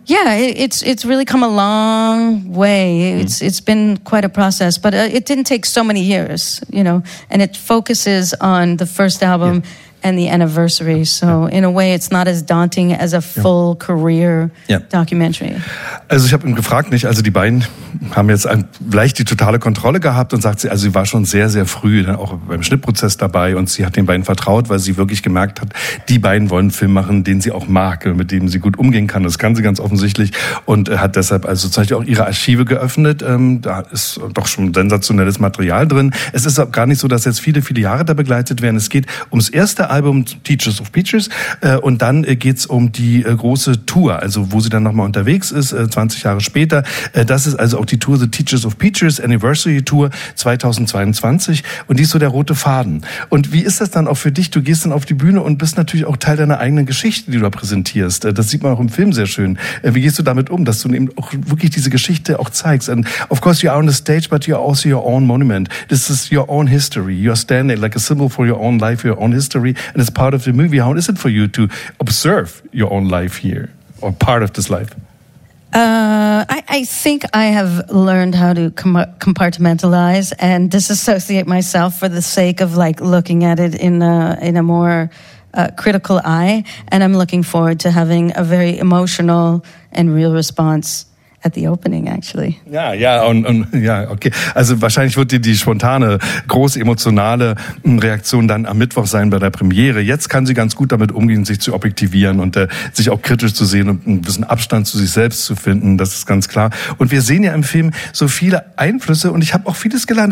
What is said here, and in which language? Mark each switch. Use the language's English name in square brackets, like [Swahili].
[English] Yeah, it's really come a long way. It's been quite a process, but it didn't take so many years, you know. And it focuses on the first album and the anniversary. So in a way, it's not as daunting as a full career documentary. [German] Also ich habe ihn gefragt, nicht? Also die beiden haben jetzt vielleicht die totale Kontrolle gehabt und sagt sie, also sie war schon sehr, sehr früh dann auch beim Schnittprozess dabei und sie hat den beiden vertraut, weil sie wirklich gemerkt hat, die beiden wollen einen Film machen, den sie auch mag, mit dem sie gut umgehen kann. Das kann sie ganz offensichtlich und hat deshalb also zum Beispiel auch ihre Archive geöffnet. Da ist doch schon sensationelles Material drin. Es ist auch gar nicht so, dass jetzt viele, viele Jahre da begleitet werden. Es geht ums erste Album Teachers of Peaches und dann geht es um die große Tour, also wo sie dann nochmal unterwegs ist, 20 Jahre später. Das ist also auch die Tour, The Teachers of Peaches Anniversary Tour 2022 und die ist so der rote Faden. Und wie ist das dann auch für dich? Du gehst dann auf die Bühne und bist natürlich auch Teil deiner eigenen Geschichte, die du da präsentierst. Das sieht man auch im Film sehr schön. Wie gehst du damit um, dass du eben auch wirklich diese Geschichte auch zeigst? [English] And of course you are on the stage, but you are also your own monument. This is your own history. You are standing like a symbol for your own life, your own history, and it's part of the movie. How is it for you to observe your own life here or part of this life? I think I have learned how to compartmentalize and disassociate myself for the sake of like looking at it in a more critical eye. And I'm looking forward to having a very emotional and real response at the opening, actually. Okay. [German] Also wahrscheinlich wird die spontane, groß emotionale Reaktion dann am Mittwoch sein bei der Premiere. Jetzt kann sie ganz gut damit umgehen, sich zu objektivieren und sich auch kritisch zu sehen und einen gewissen Abstand zu sich selbst zu finden. Das ist ganz klar. Und wir sehen ja im Film so viele Einflüsse und ich habe auch vieles gelernt.